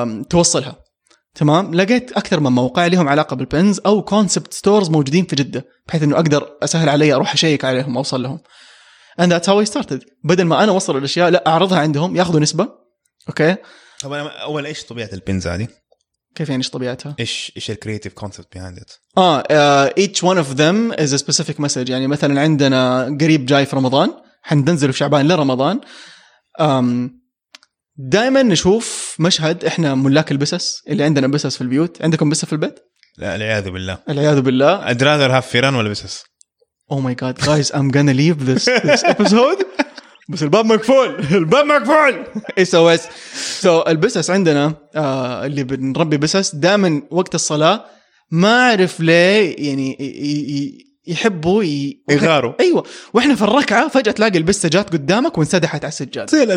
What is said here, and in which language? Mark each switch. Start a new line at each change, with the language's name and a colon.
Arabic: توصلها تمام لقيت أكثر من موقع لهم علاقة بالبنز أو
English: concept stores
Arabic: موجودين في جدة بحيث أنه أقدر أسهل علي أروح أشيك عليهم أوصل لهم
English: and that's how I started
Arabic: بدل ما أنا أوصل الأشياء لا أعرضها عندهم يأخذوا نسبة أوكي طب أنا أول إيش طبيعة البنز هذه كيف يعني إيش طبيعتها؟ إيش ال
English: creative concept behind it؟ each one of them is a specific message.
Arabic: يعني مثلاً عندنا قريب جاي في رمضان حننزل في شعبان لرمضان. دائماً نشوف مشهد إحنا ملاك البسس اللي عندنا بسس في البيوت. عندكم بسس في البيت؟ لا العياذ بالله. العياذ بالله.
English: I'd rather have
Arabic: فيران ولا بسس.
English: Oh my god, guys, I'm gonna leave this episode.
Arabic: بس الباب مقفول الباب مقفول إيه سويس سو البسس عندنا اللي بنربي بسس دائما وقت الصلاة ما أعرف ليه يعني يحبوا يغاروا أيوة وإحنا في الركعة فجأة تلاقي البسة جات قدامك وانسدحت على السجاد